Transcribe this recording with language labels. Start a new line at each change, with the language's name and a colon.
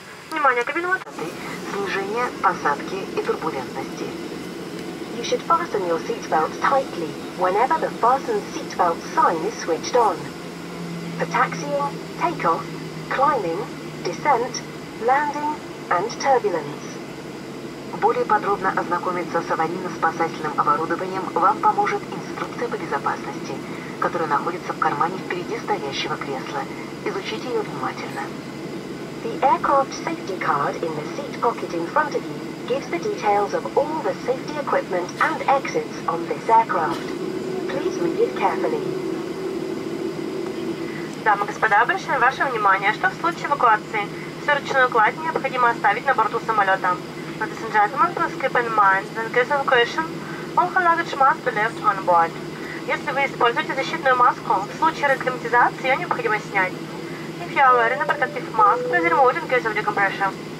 Russian: Внимание, кабина высоты. Снижение посадки и турбулентности.
English: You should fasten your seatbelt tightly whenever the fastened seatbelt sign is switched on. For taxiing, takeoff, climbing, descent, landing, and turbulence.
Russian: Более подробно ознакомиться с аварийно-спасательным оборудованием вам поможет инструкция по безопасности, которая находится в кармане впереди стоящего кресла. Изучите ее внимательно.
English: The aircraft safety card in the seat pocket in front of you gives the details of all the safety equipment and exits on this aircraft. Please read it carefully.
Russian: Дамы и господа, обращаем ваше внимание, что в случае эвакуации всю ручную кладь необходимо оставить на борту самолета.
English: Ladies and gentlemen, please keep in mind that in case of evacuation, all her luggage must be left on board.
Russian: Если вы используете защитную маску, в случае реклиматизации ее необходимо снять.
English: If you are wearing a protective mask, please remove it in case of decompression.